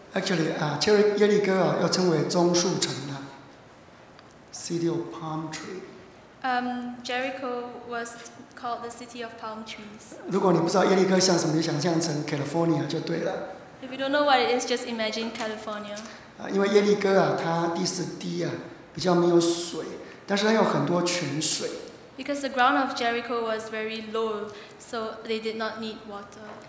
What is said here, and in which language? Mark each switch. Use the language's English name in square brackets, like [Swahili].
[English] Actually, Jericho [Chinese] 又称为棕树城的 [English] City of Palm Tree. Jericho was called the City of Palm Trees. [Chinese] 如果你不知道耶利哥像什么，你想象成 California 就对了。 [English] If you don't know what it is, just imagine California. [Chinese] 因为耶利哥它地势低比较没有水，但是它有很多泉水。 [English] Because the ground of Jericho was very low, so they did not need water.